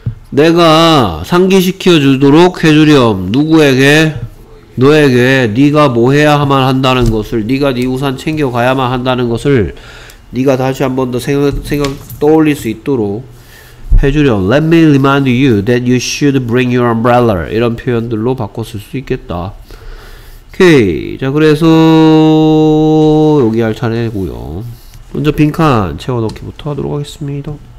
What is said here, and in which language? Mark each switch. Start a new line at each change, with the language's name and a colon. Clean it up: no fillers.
Korean: 내가 상기시켜 주도록 해주렴. 누구에게? 너에게 네가 뭐 해야만 한다는 것을 네가 네 우산 챙겨가야만 한다는 것을 네가 다시 한 번 더 생각 떠올릴 수 있도록 해주렴.
English: Let me remind you that you should bring your umbrella.
Korean: 이런 표현들로 바꿨을 수 있겠다. 오케이. 자 그래서 여기 할 차례고요. 먼저 빈칸 채워넣기부터 하도록 하겠습니다.